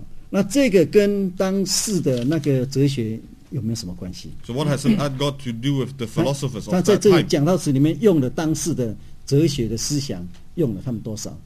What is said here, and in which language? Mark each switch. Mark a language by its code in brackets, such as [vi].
[zh] 那这个跟当时的那个哲学有没有什么关系? [en] So what has that got to do with the philosophers of that time? [zh] 他在这个讲道词里面用了当时的哲学的思想，用了他们多少?